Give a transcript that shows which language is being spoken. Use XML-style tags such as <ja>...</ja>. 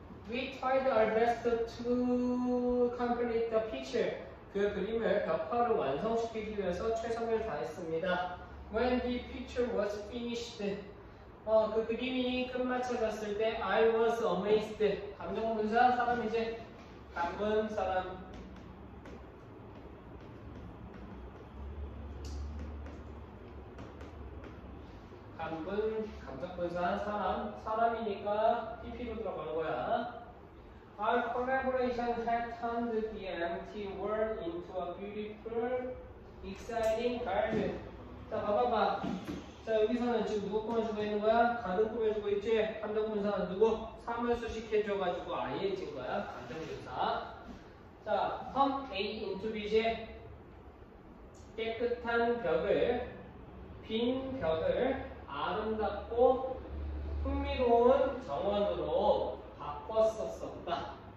<en>We tried our best to complete the picture.</en> <ko>그 그림을 벽화로 완성시키기 위해서 최선을 다했습니다.</ko> <en>When the picture was finished,</en> <ko>그 그림이 끝마쳐졌을 때</ko> <en>I was amazed.</en> <ko>감정분사 사람 이제 감분 사람. 감분, 감정분사한 사람, 사람이니까 PP로 들어가는 거야.</ko> <en>Our collaboration had turned the empty world into a beautiful, exciting garden.</en> <ko>자, 봐봐. 자, 여기서는 지금 누구 꾸며주고 있는 거야? 가득 꾸며주고 있지? 감정분사는 누구? 사물수식 해줘가지고 ing인 거야. 감정분사. 자,</ko> <en>turn A into B</en> <ko>지? 깨끗한 벽을, 빈 벽을, 아름답고 흥미로운 정원으로 바꿨었었다.</ko>